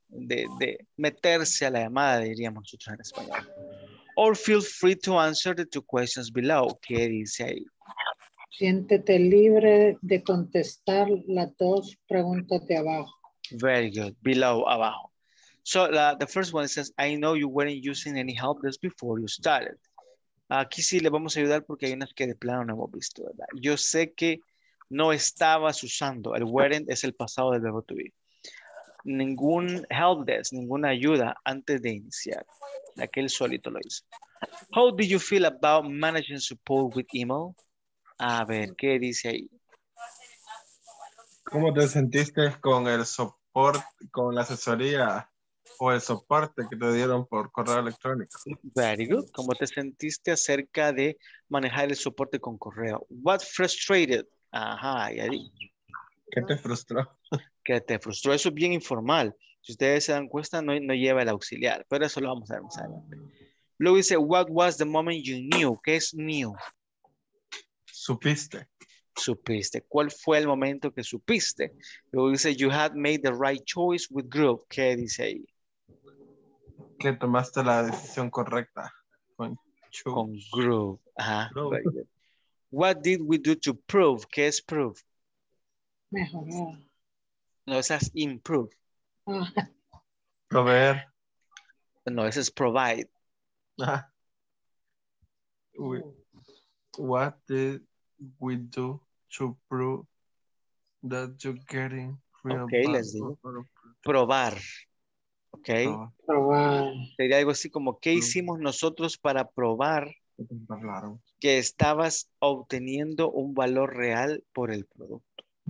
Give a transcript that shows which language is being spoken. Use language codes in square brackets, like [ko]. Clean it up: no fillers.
[es] De meterse a la llamada, diríamos nosotros en español. [en] Or feel free to answer the two questions below. [es] ¿Qué dice ahí? Siéntete libre de contestar las dos preguntas de abajo. [en] Very good. Below, abajo. So the first one says, I know you weren't using any help just before you started. [es] Aquí sí le vamos a ayudar porque hay unas que de plano no hemos visto, ¿verdad? Yo sé que no estabas usando. El weren't es el pasado del verbo to be. Ningún help desk, ninguna ayuda antes de iniciar. Aquel solito lo hizo. [en] How do you feel about managing support with email? [es] A ver, ¿qué dice ahí? ¿Cómo te sentiste con el soporte, con la asesoría o el soporte que te dieron por correo electrónico? [en] Very good. [es] ¿Cómo te sentiste acerca de manejar el soporte con correo? [en] What frustrated? [es] Ajá, ya di. ¿Qué te frustró? Que te frustró, eso es bien informal. Si ustedes se dan cuenta, no lleva el auxiliar, pero eso lo vamos a ver más adelante. Luego dice, [en] what was the moment you knew? [es] ¿Qué es knew? Supiste. Supiste. ¿Cuál fue el momento que supiste? Luego dice, [en] you had made the right choice with group. [es] ¿Qué dice ahí? Que tomaste la decisión correcta. [en] Con group. Ajá. Group. Very good. What did we do to prove? [es] ¿Qué es prove? Mejorar. No, esa es improve. Proveer. No, esa es provide. [en] What did we do to prove that you're getting real? Okay, let's see. Probar. Okay. [es] Probar. Sería algo así como, ¿qué hicimos nosotros para probar? Hablaron. Que estabas obteniendo un valor real por el producto.